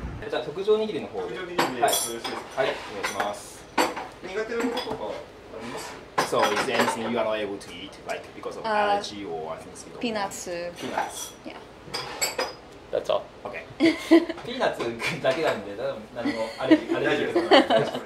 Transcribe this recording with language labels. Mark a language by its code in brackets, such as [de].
[ja] じゃあ特上握りの方で。特上握りです。よろしいですか。はい、お願いします。苦手なこととかあります？ [en] So is there anything you are not able to eat, like because of allergy or I think so? Peanuts. Peanuts. Yeah. That's all. Okay. [ja] ピーナッツだけなんで、何もアレルギーとかない。